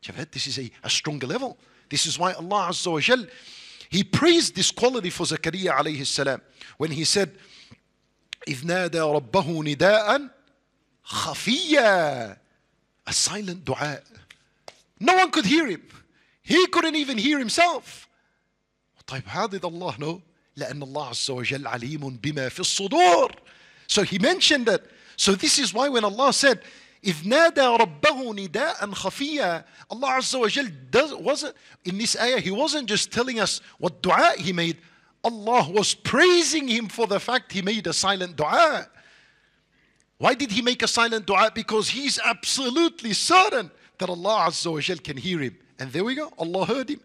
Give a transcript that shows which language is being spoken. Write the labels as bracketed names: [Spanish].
[English] This is a stronger level. This is why Allah Azza wa Jal, he praised this quality for Zakariya alayhi salam when he said, [Arabic] إِذْ نَادَى رَبَّهُ نِدَاءً خَفِيًّا. [English] A silent dua. No one could hear him. He couldn't even hear himself. How did Allah know? [Arabic] لَأَنَّ اللَّهَ عَزَّ وَجَلْ عَلِيمٌ بِمَا فِي الصُّدُورِ. [English] So he mentioned that. So this is why when Allah said, [Arabic] إِذْ نَادَى رَبَّهُ نِدَاءً خَفِيًّا, [English] Allah Azza wa Jal wasn't, in this ayah, he wasn't just telling us what dua he made. Allah was praising him for the fact he made a silent dua. Why did he make a silent dua? Because he's absolutely certain that Allah Azza wa Jal can hear him. And there we go. Allah heard him.